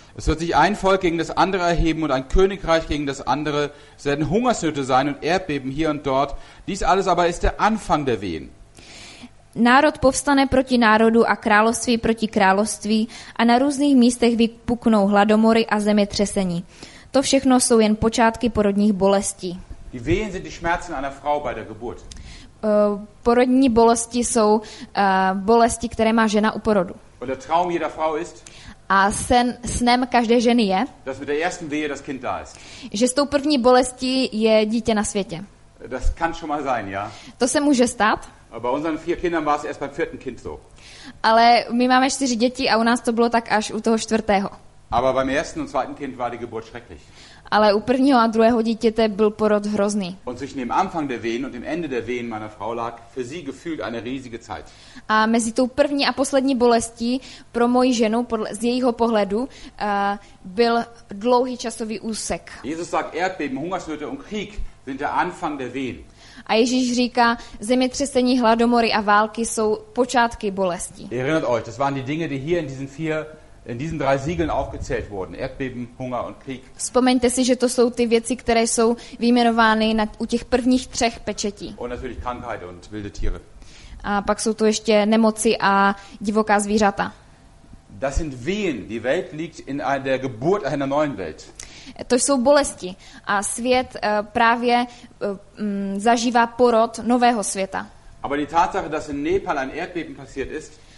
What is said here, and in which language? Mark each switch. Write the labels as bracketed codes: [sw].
[de] Es wird sich ein Volk gegen das andere erheben und ein Königreich gegen das andere. Es werden Hungersnöte sein und Erdbeben hier und dort. Dies alles aber ist der Anfang der Wehen. [cs] Národ povstane proti národu a království proti království a na různých místech vypuknou hladomory a zemětřesení. To všechno jsou jen počátky porodních bolestí. [de] Die Wehen sind die Schmerzen einer Frau bei der Geburt. [cs] Porodní bolesti jsou bolesti, které má žena u porodu. [de] Und der Traum jeder Frau ist, [cs] a sen, snem každé ženy je, [de] dass mit der ersten Wehe das Kind da ist. [cs] Že s tou první bolestí je dítě na světě. [de] Das kann schon mal sein, ja? [cs] To se může stát. [de] Bei unseren vier Kindern war es erst beim vierten Kind so. [cs] Ale my máme 4 děti a u nás to bylo tak až u toho čtvrtého. [de] Aber beim ersten und zweiten Kind war die Geburt schrecklich. [cs] Ale u prvního a druhého dítěte byl porod hrozný. [de] Und zwischen dem Anfang der Wehen und dem Ende der Wehen meiner Frau lag für sie gefühlt eine riesige Zeit. [cs] A mezi tou první a poslední bolestí pro moji ženu z jejího pohledu byl dlouhý časový úsek. [de] Jesus sagt, Erdbeben, Hungersnöte und Krieg sind der Anfang der Wehen. [cs] A Ježíš říká, zemětřesení, hladomory a války jsou počátky bolestí. [de] Erinnert euch, das waren die Dinge, die hier in diesen drei Siegeln aufgezählt wurden: Erdbeben, Hunger und Krieg. [cs] Vzpomeňte si, že to jsou ty věci, které jsou vyjmenovány u těch prvních třech pečetí. [de] Und natürlich Krankheit und wilde Tiere. [cs] A pak jsou tu ještě nemoci a divoká zvířata. [de] Das sind Wehen. Die Welt liegt in der Geburt einer neuen Welt. [cs] To jsou bolesti a svět právě zažívá porod nového světa. [de] Aber die Tatsache, dass in Nepal ein Erdbeben passiert ist.